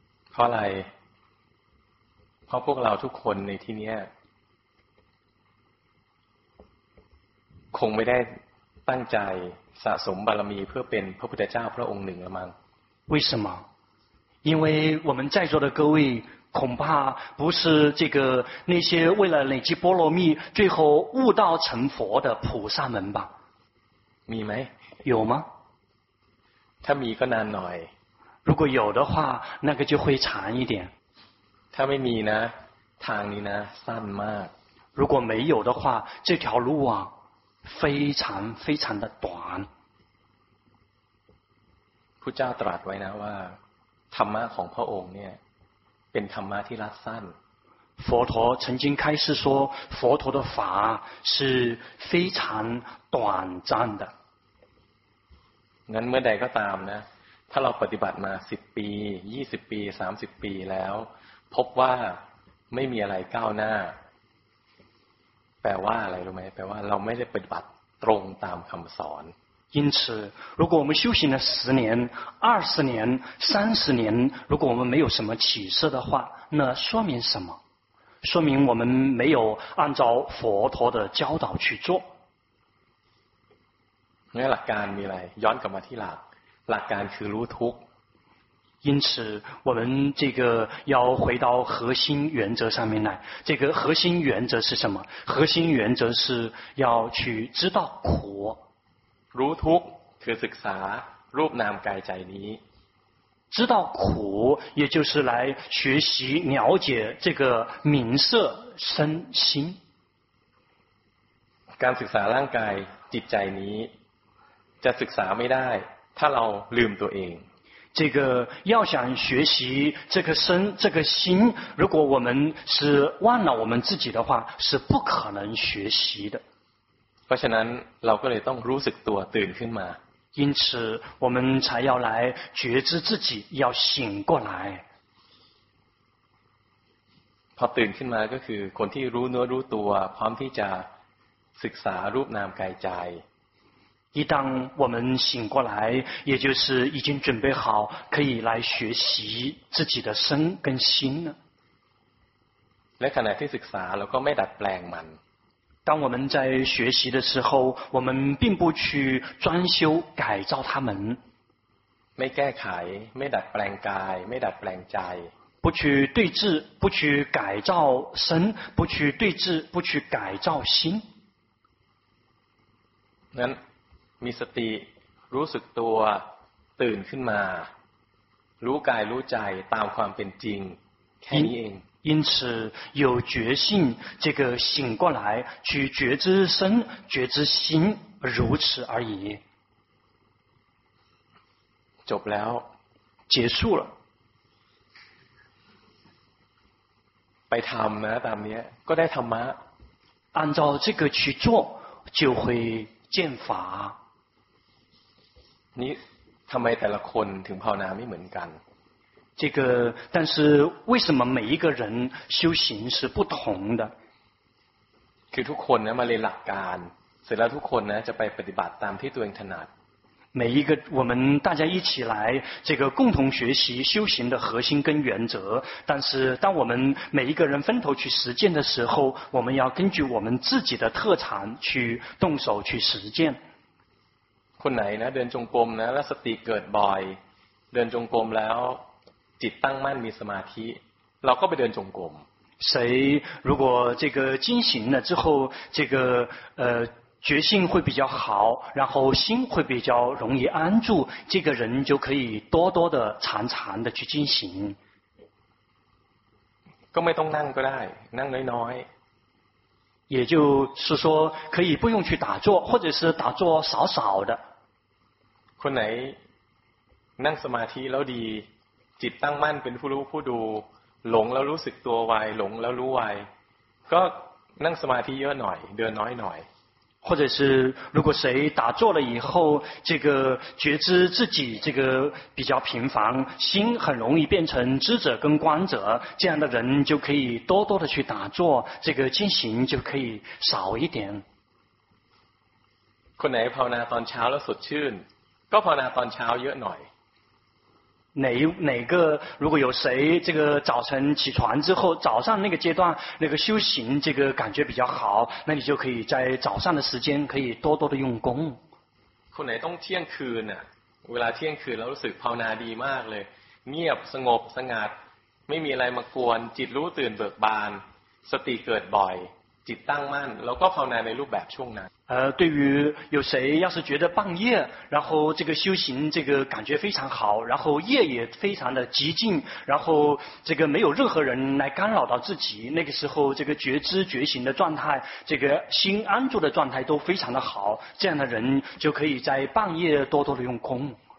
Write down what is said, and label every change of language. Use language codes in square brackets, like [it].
[th] เพราะอะไรเพราะพวกเราทุกคนในที่นี้คงไม่ได้ตั้งใจสะสมบารมีเพื่อเป็นพระพุทธเจ้าพระองค์หนึ่งละมั้ง [zh] 为什么因为我们在座的各位恐怕不是这个那些为了累积波罗蜜最后悟道成佛的菩萨们吧 [th] มีไหม [zh] 有吗 [th] ถ้ามีก็นานหน่อย [zh] 如果有的话那个就会长一点 [th] ถ้าไม่มีนะทางนี้นะสั้นมาก [zh] 如果没有的话这条路啊非常非常的短 [th] พุทธเจ้าตรัสไว้นะว่าธรรมะของพระองค์เนี่ยเป็นธรรมะที่รัดสั้น [zh] 佛陀曾经开示说佛陀的法是非常短暂的 [th] งั้นเมื่อใดก็ตามนะถ้าเราปฏิบัติมา10ปี20ปี30ปีแล้วพบว่าไม่มีอะไรก้าวหน้าแปลว่าอะไรรู้ไหมแปลว่าเราไม่ได้ปฏิบัติตรงตามคำสอน [zh] 因此如果我们修行了十年二十年三十年如果我们没有什么起色的话那说明什么说明我们没有按照佛陀的教导去做 [th] งั้นหลักการมีอะไรย้อนกลับมาที่หลักหลักการคือรู้ทุกข์ [zh] 因此我们这个要回到核心原则上面来这个核心原则是什么核心原则是要去知道苦 [th] รู้ทุกข์คือศึกษารูปนามกายใจนี้ [zh] 知道苦也就是来学习了解这个名色身心 [th] การศึกษาร่างกายจิตใจนี้จะศึกษาไม่ได้ถ้าเราลืมตัวเอง [zh] 这个要想学习这个身这个心如果我们是忘了我们自己的话是不可能学习的 [th] เพราะฉะนั้นเราก็เลยต้องรู้สึกตัวตื่นขึ้นมา [zh] 因此我们才要来觉知自己要醒过来 [th] พอตื่นขึ้นมาก็คือคนที่รู้เนื้อรู้ตัวพร้อมที่จะศึกษารูปนามกายใจ [zh] 一旦我们醒过来也就是已经准备好可以来学习自己的身跟心 [th] และขณะที่ศึกษาเราก็ไม่ดัดแปลงมัน [zh] 当我们在学习的时候我们并不去装修改造他们 [th] ไม่แก้ไขไม่ดัดแปลงกายไม่ดัดแปลงใจ [zh] 不去对治不去改造身不去对治不去改造心 [th] นั้นมีสติรู้สึกตัวตื่นขึ้นมารู้กายรู้ใจตามความเป็นจริงแค่นี้เอง [zh] 因此有觉性这个醒过来去觉知身觉知心如此而已 [th] จบแล้ว [zh] 结束了 [th] ไปทำนะตามนี้ก็ได้ธรรมะ [zh] 按照这个去做就会见法 [th] นี่ทำไมแต่ละคนถึงภาวนาไม่เหมือนกัน [zh] 这个但是为什么每一个人修行是不同的 [th] คือทุกคนนะมาเรียนหลักการเสร็จแล้วทุกคนนะจะไปปฏิบัติตามที่ตัวเองถนัด [zh] 每一个我们大家一起来这个共同学习修行的核心跟原则但是当我们每一个人分头去实践的时候我们要根据我们自己的特长去动手去实践 [th] คนไหนนะเดินจงกรมนะแล้วสติเกิดบ่อยเดินจงกรมแล้วจิตตั้งมั่นมีสมาธิเราก็ไปเดินจงกรม [zh] 谁如果这个精行了之后这个觉性会比较好然后心会比较容易安住这个人就可以多多的常常的去精行 [th] ก็ไม่ต้องนั่งก็ได้นั่งน้อย [zh] ๆ也就是说可以不用去打坐或者是打坐少少的 [th] คนไหนนั่งสมาธิแล้วดีจิตตั้งมั่นเป็นผู้รู้ผู้ดูหลงแล้วรู้สึกตัวไวหลงแล้วรู้ไวก็นั่งสมาธิเยอะหน่อยเดินน้อยหน่อย [zh] 或者是如果谁打坐了以后这个觉知自己这个比较频繁心很容易变成知者跟观者这样的人就可以多多的去打坐这个进行就可以少一点 [th] คนไหนภาวนาตอนเช้าแล้วสดชื่นก็ภาวนาตอนเช้าเยอะหน่อย ไหน [zh] 如果有谁这个早晨起床之后早上那个阶段那个修行这个感觉比较好那你就可以在早上的时间可以多多的用功 [th] คนไหนต้องเที่ยงคืนน่ะเวลาเที่ยงคืนแล้วรู้สึกภาวนาดีมากเลยเงียบสงบสงัดไม่มีอะไรมากวนจิตรู้ตื่นเบิกบานสติเกิดบ่อย จิตตั้งมั่นแล้วก็ภาวนาในรูปแบบช่วงนั้น [zh] 对于有谁要是觉得半夜然后这个修行这个感觉非常好然后夜也非常的极静然后这个没有任何人来干扰到自己那个时候这个觉知觉醒的状态这个心安住的状态都非常的好这样的人就可以在半夜多多的用功